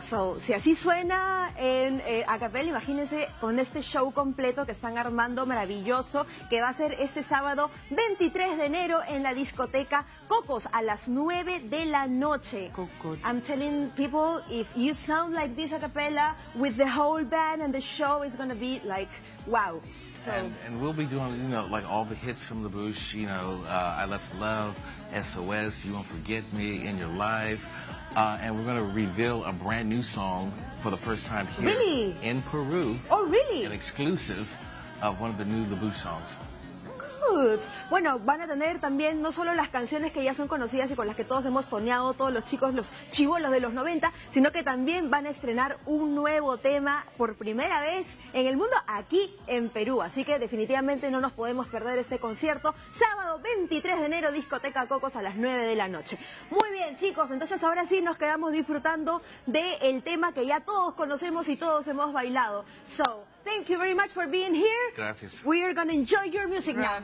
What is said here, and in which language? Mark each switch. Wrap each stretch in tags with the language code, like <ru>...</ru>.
<en>So,</en> <es>si así suena en a capella, imagínense con este show completo que están armando, maravilloso, que va a ser este sábado 23 de enero en la discoteca Cocos a las 9 de la noche. Cocos.</es> <en>I'm telling people, if you sound like this a capella with the whole band and the show, it's going to be like wow. So, and we'll be doing, you know, like all the hits from the Bush, you know, I Left Love, SOS, You Won't Forget Me, In Your Life. And we're going to reveal a brand new song for the first time here. Really? In Peru. Oh, really? An exclusive of one of the new Labu songs. Good.</en> <es>Bueno, van a tener también no solo las canciones que ya son conocidas y con las que todos hemos toneado, todos los chicos, los chibolos de los 90, sino que también van a estrenar un nuevo tema por primera vez en el mundo aquí en Perú. Así que definitivamente no nos podemos perder este concierto. Sábado 23 de enero, discoteca Cocos a las 9 de la noche. Muy bien, chicos, entonces ahora sí nos quedamos disfrutando del tema que ya todos conocemos y todos hemos bailado.</es> <en>So, thank you very much for being here.</en> <es>Gracias.</es> <en>We are going to enjoy your music now.</en>